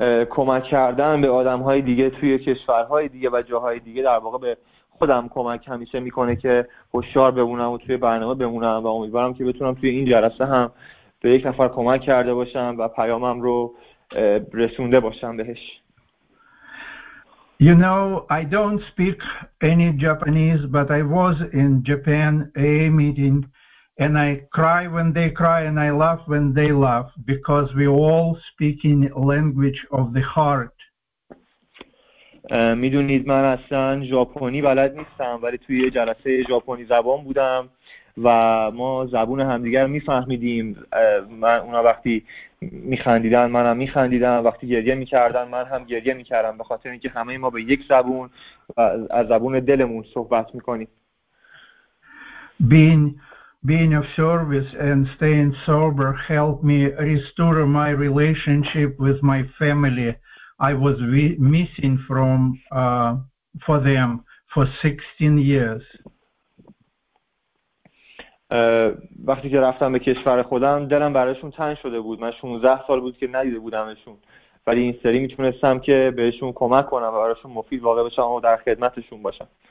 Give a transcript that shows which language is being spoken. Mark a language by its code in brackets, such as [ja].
[fa] کمک کردن به آدم های دیگه توی کشورهای دیگه و جاهای دیگه در واقع به خودم کمک همیشه میکنه که هوشیار بمونم و توی برنامه بمونم و امیدوارم که بتونم توی این جلسه هم به یک نفر کمک کرده باشم و پیامم رو رسونده باشم بهش. [en] You know, I don't speak any Japanese, but I was in Japan AA meeting and I cry when they cry and I laugh when they laugh because we all speak in language of the heart. [fa] میدونید من اصلا ژاپنی بلد نیستم ولی توی جلسه ژاپنی زبان بودم و ما زبون همدیگر میفهمیدیم. من اونا وقتی میخندیدن منم میخندیدم، وقتی گریه میکردن من هم گریه میکردم، به خاطر اینکه همه ما به یک زبون از زبون دلمون صحبت میکنیم. [en] Being of service and staying sober helped me restore my relationship with my family. I was missing from for them for 16 years. [fa] وقتی که رفتم به کشور خودم دلم برایشون تنگ شده بود. من 16 سال بود که ندیده بودمشون. ولی این سری میتونستم که بهشون کمک کنم و برایشون مفید واقع بشم و در خدمتشون باشم.